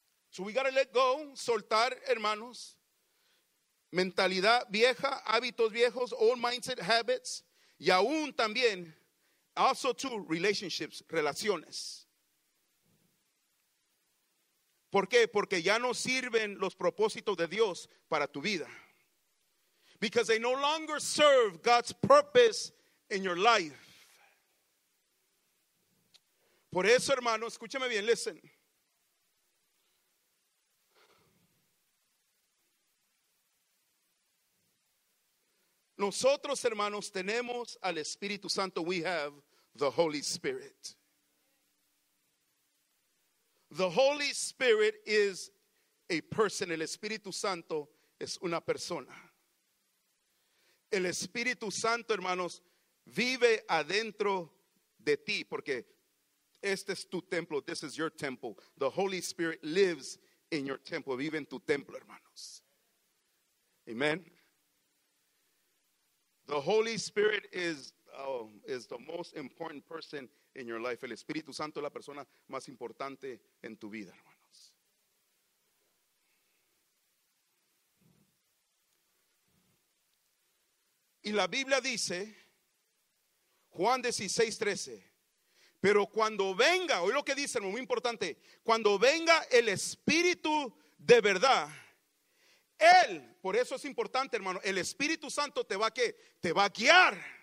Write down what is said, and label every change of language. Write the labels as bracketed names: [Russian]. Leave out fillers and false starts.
[English] So we got to let go, [Spanish] soltar, hermanos, mentalidad vieja, hábitos viejos, [English] old mindset, habits, [Spanish] y aún también, [English] also to relationships, [Spanish] relaciones. ¿Por qué? Porque ya no sirven los propósitos de Dios para tu vida. [English] Because they no longer serve God's purpose in your life. [Spanish] Por eso, hermanos, escúchame bien, [English] listen. [Spanish] Nosotros, hermanos, tenemos al Espíritu Santo. [English] We have the Holy Spirit. The Holy Spirit is a person. [Spanish] El Espíritu Santo es una persona. El Espíritu Santo, hermanos, vive adentro de ti. Porque este es tu templo. [English] This is your temple. The Holy Spirit lives in your temple. [Spanish] Vive en tu templo, hermanos. [English] Amen. The Holy Spirit is the most important person in your life. [Spanish] El Espíritu Santo es la persona más importante en tu vida, hermanos. Y la Biblia dice, Juan 16:13, pero cuando venga, oye lo que dice, muy importante, cuando venga el Espíritu de verdad, Él, por eso es importante, hermano, el Espíritu Santo te va a, ¿qué? Te va a guiar.